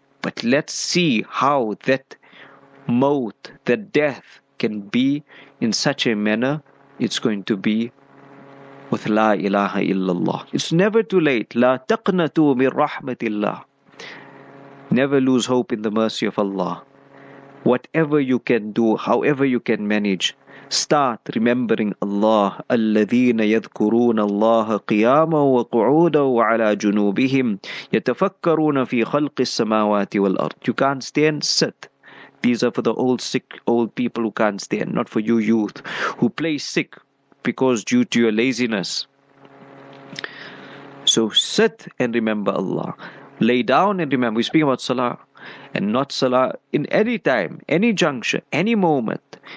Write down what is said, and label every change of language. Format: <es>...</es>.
<en>But let's see how that moat, that death can be in such a manner, it's going to be with La ilaha illallah. It's never too late.</en> <ar>La taqnatu min rahmatillah.</ar> <en>Never lose hope in the mercy of Allah. Whatever you can do, however you can manage, start remembering Allah,</en> <ar>الَّذِينَ يَذْكُرُونَ اللَّهَ قِيَامًا وَقُعُودًا وَعَلَىٰ جُنُوبِهِمْ يَتَفَكَّرُونَ فِي خَلْقِ السَّمَاوَاتِ وَالْأَرْضِ.</ar> <en>You can't stand, sit. These are for the old sick, old people who can't stand, not for you youth, who play sick because due to your laziness. So sit and remember Allah. Lay down and remember. We speak about salah and not salah in any time, any juncture, any moment.</en>